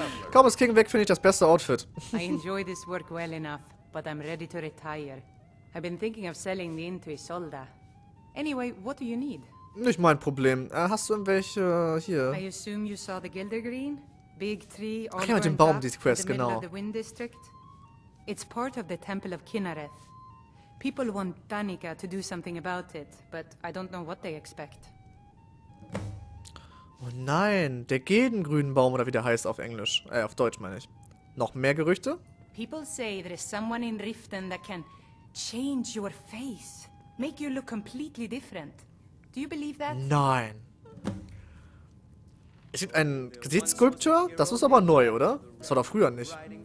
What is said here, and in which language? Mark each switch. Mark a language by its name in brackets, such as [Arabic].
[German] Kaum ist King weg, finde ich das beste Outfit. [English] I enjoy this work well enough, but I'm ready to retire. I've been thinking of selling the inn to Isolde. Anyway, what do you need? [German] Nicht mein Problem. Hast du irgendwelche hier? [English] I assume you saw the Gildergreen? Big tree [German] all ja, mit dem Baum, die Quest, genau. [English] The Wind District. It's part of the Temple of Kinnereth. People want Danica to do something about it, but I don't know what they expect. [German] Oh nein, der Gildengrünbaum oder wie der heißt auf Englisch. Auf Deutsch meine ich. Noch mehr Gerüchte? [English] People say there is someone in Riften that can change your face. Make you look completely different. Do you believe that? [German] Nein. Es gibt einen Gesichtsskulptur? Das ist aber neu, oder? Das war doch früher nicht.